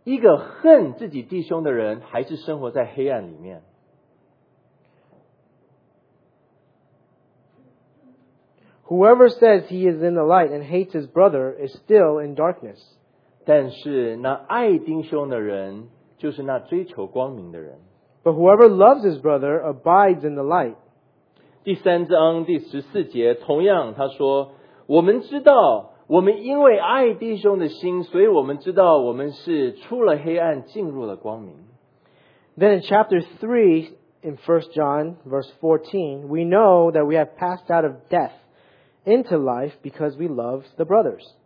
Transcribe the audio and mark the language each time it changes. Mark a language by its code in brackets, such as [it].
[zh] 一个恨自己弟兄的人还是生活在黑暗里面。 [en] Whoever says he is in the light and hates his brother is still in darkness. [zh] 但是那爱弟兄的人就是那追求光明的人。 [en] But whoever loves his brother abides in the light. [zh] 第三章第十四节同样他说我们知道我们因为爱弟兄的心所以我们知道我们是出了黑暗进入了光明。 [en] Then in chapter 3 in 1 John verse 14 we know that we have passed out of death into life because we love the brothers.